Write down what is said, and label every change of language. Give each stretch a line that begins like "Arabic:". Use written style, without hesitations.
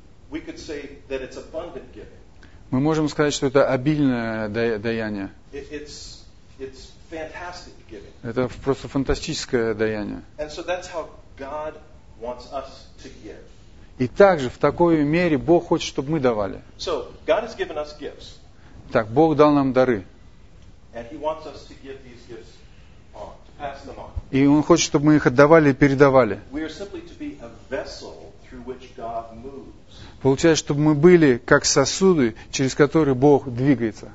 Russian: Мы можем сказать, что это обильное даяние.
English: It's fantastic.
Russian: Это просто фантастическое даяние.
English: And so that's how God wants us to give.
Russian: И также в такой мере Бог хочет, чтобы мы давали.
English: So God has given us gifts.
Russian: Так, Бог дал нам дары.
English: And he wants us to give these gifts on, to pass them on.
Russian: И Он хочет, чтобы мы их отдавали и передавали.
English: We are simply to be a vessel through which God moves.
Russian: Получается, чтобы мы были как сосуды, через которые Бог двигается.